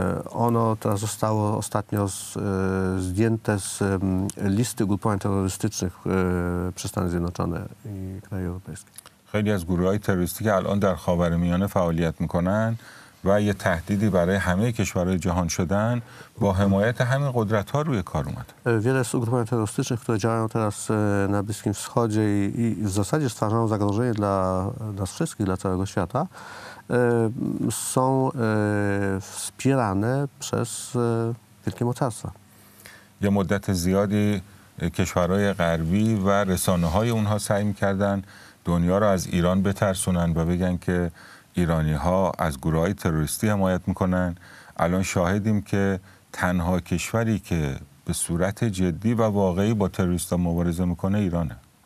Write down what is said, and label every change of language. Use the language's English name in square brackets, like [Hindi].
[Polish] Ono teraz zostało ostatnio zdjęte z listy ugrupowań terrorystycznych przez Stany Zjednoczone i kraje europejskie. [Persian] خیلی از گروه های تروریستی که الان در خاورمیانه فعالیت میکنن و یه تهدیدی برای همه کشورهای جهان شدن با حمایت همین قدرت ها روی کار اومد. [Polish] Wiele z ugrupowań terrorystycznych, które działają teraz na Bliskim Wschodzie i w zasadzie stwarzają zagrożenie dla nas wszystkich, dla całego świata, są wspierane przez wielkie mocarstwa. [Persian] یه مدت زیادی کشورهای غربی و رسانه های اونها سعی میکردن دنیا را از ایران بترسونن و بگن که ایرانی ها از گروه های تروریستی حمایت میکنن. الان شاهدیم که تنها کشوری که به صورت جدی و واقعی با تروریست ها مبارزه میکنه ایرانه.